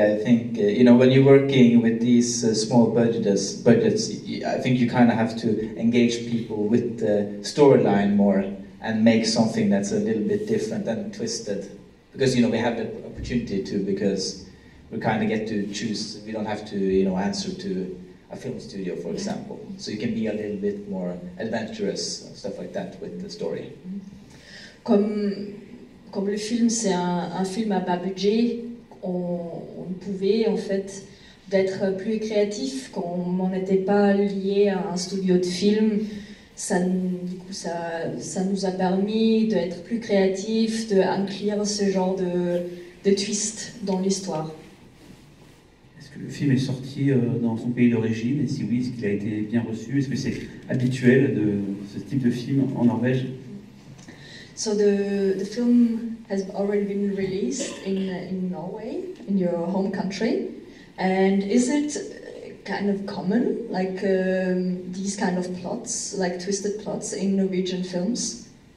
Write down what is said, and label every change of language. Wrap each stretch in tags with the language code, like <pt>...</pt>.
<en>I think, when you're working with these small budgets, I think you kind of have to engage people with the storyline more and make something that's a little bit different and twisted. Because, we have the opportunity to, because we kind of get to choose. We don't have to, answer to a film studio, for example. So you can be a little bit more adventurous, stuff like that, with the story.</en> <fr>Comme le film, c'est un film à bas budget, on pouvait en fait d'être plus créatif quand on n'était pas lié à un studio de film. Ça nous a permis d'être plus créatif, d'inclure ce genre de twist dans l'histoire. Est-ce que le film est sorti dans son pays d'origine? Et si oui, est-ce qu'il a été bien reçu? Est-ce que c'est habituel de ce type de film en Norvège?</fr> <en>So the film has already been released in Norway, in your home country. And is it kind of common, like these kind of plots, like twisted plots in Norwegian films?</en>